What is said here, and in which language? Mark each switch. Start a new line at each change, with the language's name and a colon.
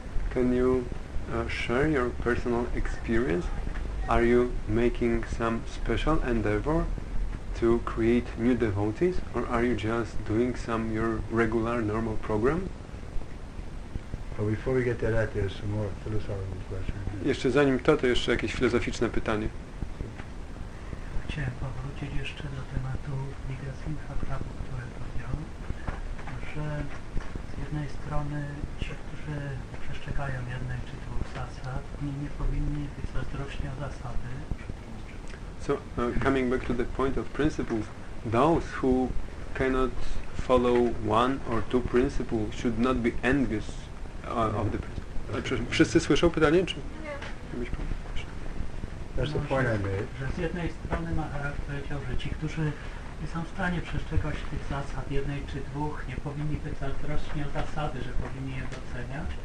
English: Can you share your personal experience? Are you making some special endeavor to create new devotees, or are you just doing some your regular normal program? But before we get to that, there's some more philosophical question.
Polish: Jeszcze zanim to jeszcze jakieś filozoficzne pytanie. Chciałem powrócić jeszcze do tematu Migasingha Prabhu, który powiedział, że z jednej strony ci, którzy przestrzegają jednej czy dwóch zasad, nie powinni być zazdrośni o zasady.
English: So, coming back to the point of principles, those who cannot follow one or two principles should not be envious of the principles.
Polish: Wszyscy słyszą pytanie? Czy? Nie.
English: That's the point I made.
Polish: Że z jednej strony Maharaj powiedział, że ci, którzy nie są w stanie przestrzegać tych zasad jednej czy dwóch, nie powinni być zazdrośni o zasady, że powinni je doceniać.